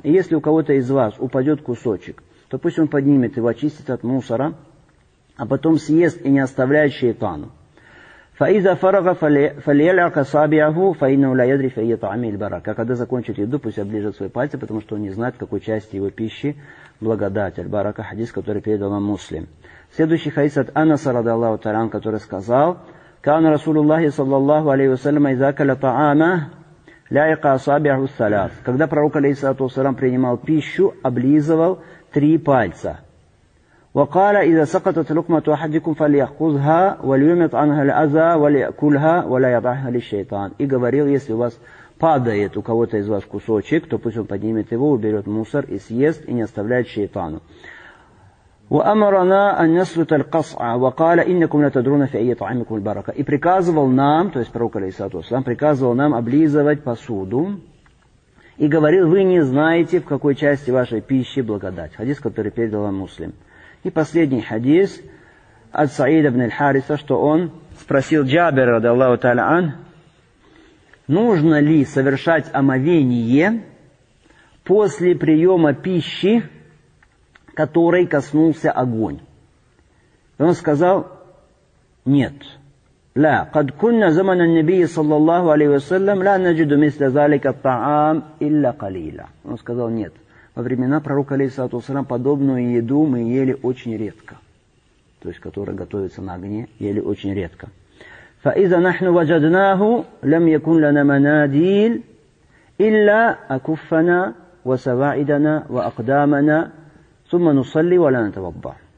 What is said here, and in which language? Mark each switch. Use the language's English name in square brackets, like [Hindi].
[Russian] И если у кого-то из вас упадет кусочек, то пусть он поднимет его, очистит от мусора, а потом съест и не оставляет шейтану. [Arabic] فَإِذَا فَرَغَ فَلْيَلْعَقَ صَابِعَهُ فَإِنَّهُ لَا يَدْرِي فِي أَيِّ طَعَامٍ الْبَرَكَةُ. [Russian] Когда закончит еду, пусть оближет свои пальцы, потому что он не знает, в какой части его пищи благодать. Аль-барака, хадис, который передал вам Муслим. Следующий хадис от Анаса, радиаллаху та'аля анху, который сказал: [Arabic] كَانَ رَسُولُ اللَّهِ صَلَّى اللَّهُ عَلَيْهِ وَسَلَّمَ إِذَا أَكَلَ طَعَامًا لَعِقَ صَابِعَهُ الثَّلَاثَ. [Russian] Когда пророк, алейхиссалату ассалям, принимал пищу, облизывал три пальца. [Arabic] وقال اذا سقطت لقمه احدكم فليأخذها وليمت عنها الاذى وليأكلها ولا يضعها للشيطان. [Russian] И говорил, если у вас падает у кого-то из вас кусочек, то пусть он поднимет его, уберет мусор и съест, и не оставляет шейтану. [Arabic] وامرنا ان نسلت القصع وقال انكم لا تدرون في اي طعامكم البركه. [Russian] И приказывал нам, то есть пророк, алейхиссалату ассалям, приказывал нам облизывать посуду. И говорил: вы не знаете, в какой части вашей пищи благодать. Хадис, который передал вам Муслим. И последний хадис от Саида ибн аль-Хариса, что он спросил Джабира, радиаллаху та'аля ан, нужно ли совершать омовение после приема пищи, которой коснулся огонь. И он сказал: Нет. [Arabic] لا قد كنا زمن النبي صلى الله عليه وسلم لا نجد مثل ذلك الطعام إلا قليلا. [Russian] Он сказал, нет. Во времена пророка, алейхиссалату вассалям, подобную еду мы ели очень редко. То есть, которая готовится на огне, ели очень редко. [Arabic] فَإِذَا نَحْنُ وَجَدْنَاهُ لَمْ يَكُنْ لَنَا مَنَادِيلَ إِلَّا أَكُفَّنَا وَسَوَاعِدَنَا وَأَقْدَامَنَا ثُمَّ نُصَلِّ وَلَا نَتَوَضَّعُ.